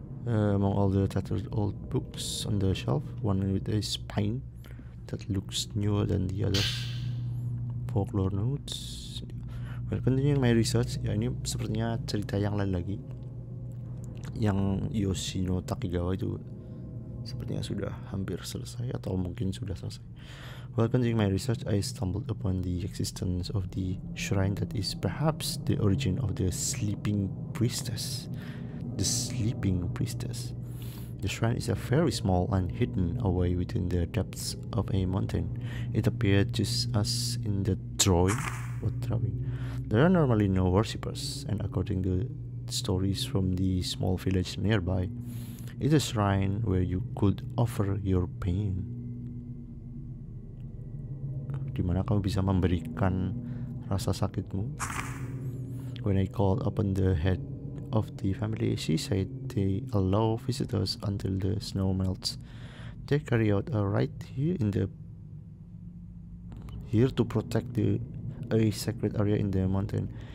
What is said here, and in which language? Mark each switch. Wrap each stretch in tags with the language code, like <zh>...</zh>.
<en>Among all the tattered old books on the shelf, one with a spine that looks newer than the others. Folklore notes. Continuing my research,</en> <id>ya ini sepertinya cerita yang lain lagi. Yang Yoshino Takigawa itu sepertinya sudah hampir selesai atau mungkin sudah selesai.</id> <en>Well, continuing my research, I stumbled upon the existence of the shrine that is perhaps the origin of the sleeping priestess. The sleeping priestess. The shrine is a very small and hidden away within the depths of a mountain. It appeared just as in the drawing. What drawing? There are normally no worshippers, and according to stories from the small village nearby, it's a shrine where you could offer your pain.</en> <id>Di mana kamu bisa memberikan rasa sakitmu?</id> <en>When I called upon the head of the family, she said they allow visitors until the snow melts. They carry out a rite here in the here to protect the a sacred area in the mountain.</en>